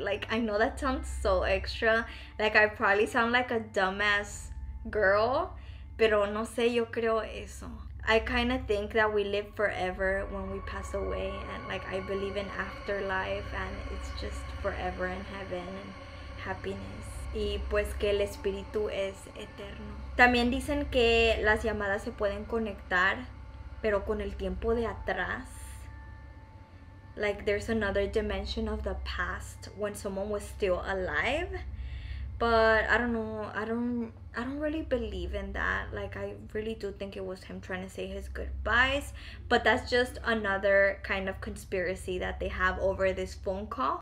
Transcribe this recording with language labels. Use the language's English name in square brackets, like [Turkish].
[English] Like, I know that sounds so extra. Like, I probably sound like a dumbass girl, [Spanish] pero no sé, yo creo eso. [English] I kind of think that we live forever when we pass away, and like I believe in afterlife and it's just forever in heaven and happiness. [Spanish] Y pues que el espíritu es eterno. También dicen que las llamadas se pueden conectar, pero con el tiempo de atrás. [English] Like there's another dimension of the past when someone was still alive. But I don't know, I don't really believe in that. Like, I really do think it was him trying to say his goodbyes, but that's just another kind of conspiracy that they have over this phone call.